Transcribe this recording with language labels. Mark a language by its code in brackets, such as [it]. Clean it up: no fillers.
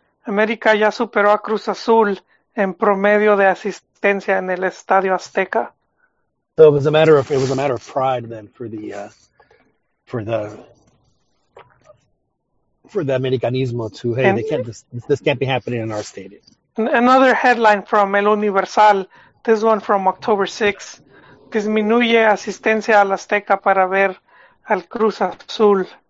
[es] America ya superó a Cruz Azul en promedio de asistencia en el Estadio Azteca. [en] So it was a matter of pride then for the Americanismo to, hey, this can't be happening in our stadium. Another headline from El Universal. This one from October 6th. [es] Disminuye asistencia al Azteca para ver al Cruz Azul.